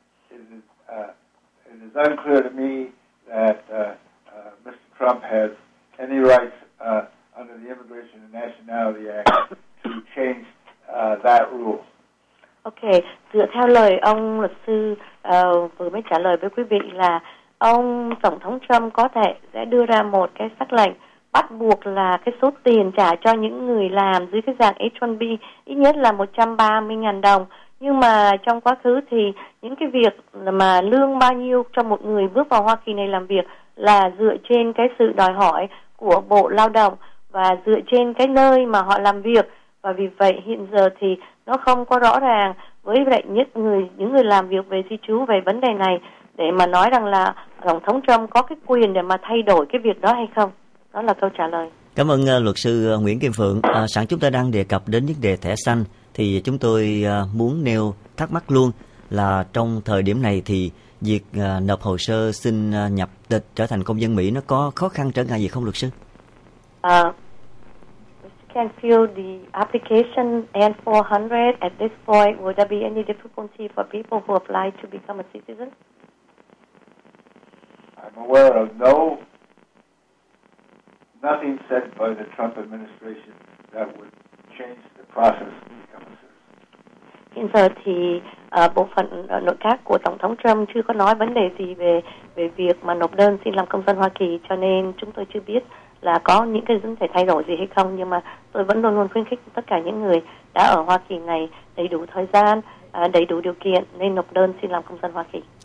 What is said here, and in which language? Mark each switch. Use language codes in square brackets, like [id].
[en] It is unclear to me that Mr. Trump has any rights under the Immigration and Nationality Act to change that rule. [vi] Okay, dựa theo lời ông luật sư vừa mới trả lời với quý vị là ông Tổng thống Trump có thể sẽ đưa ra một cái sắc lệnh bắt buộc là cái số tiền trả cho những người làm dưới cái dạng H-1B ít nhất là 130.000 đồng. Nhưng mà trong quá khứ thì những cái việc mà lương bao nhiêu cho một người bước vào Hoa Kỳ này làm việc là dựa trên cái sự đòi hỏi của Bộ Lao động và dựa trên cái nơi mà họ làm việc. Và vì vậy hiện giờ thì nó không có rõ ràng với lại những người làm việc về di trú về vấn đề này để mà nói rằng là Tổng thống Trump có cái quyền để mà thay đổi cái việc đó hay không. Đó là câu trả lời. Cảm ơn luật sư Nguyễn Kim Phượng. Sẵn chúng ta đang đề cập đến vấn đề thẻ xanh thì chúng tôi muốn nêu thắc mắc luôn là trong thời điểm này thì việc nộp hồ sơ xin nhập tịch trở thành công dân Mỹ nó có khó khăn trở ngại gì không luật sư? [en] Can fill the application N-400 at this point. Would there be any difficulty for people who apply to become a citizen? I'm aware of nothing said by the Trump administration that would change the process to become a citizen. [vi] Hiện giờ thì bộ phận nội các của Tổng thống Trump chưa có nói vấn đề gì về việc mà nộp đơn xin làm công dân Hoa Kỳ, cho nên chúng tôi chưa biết là có những cái vấn đề thay đổi gì hay không, nhưng mà tôi vẫn luôn luôn khuyến khích tất cả những người đã ở Hoa Kỳ này đầy đủ thời gian, đầy đủ điều kiện nên nộp đơn xin làm công dân Hoa Kỳ.